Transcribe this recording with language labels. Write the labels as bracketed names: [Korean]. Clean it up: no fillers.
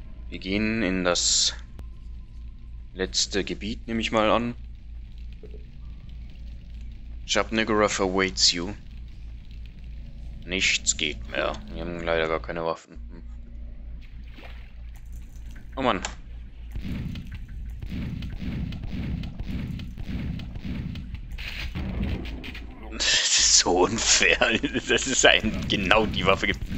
[German] Wir gehen in das letzte Gebiet, nehme ich mal an. [English] Chabnigarath awaits you. [German] Nichts geht mehr. Wir haben leider gar keine Waffen. Oh Mann. So unfair. Das ist ein genau die Waffe.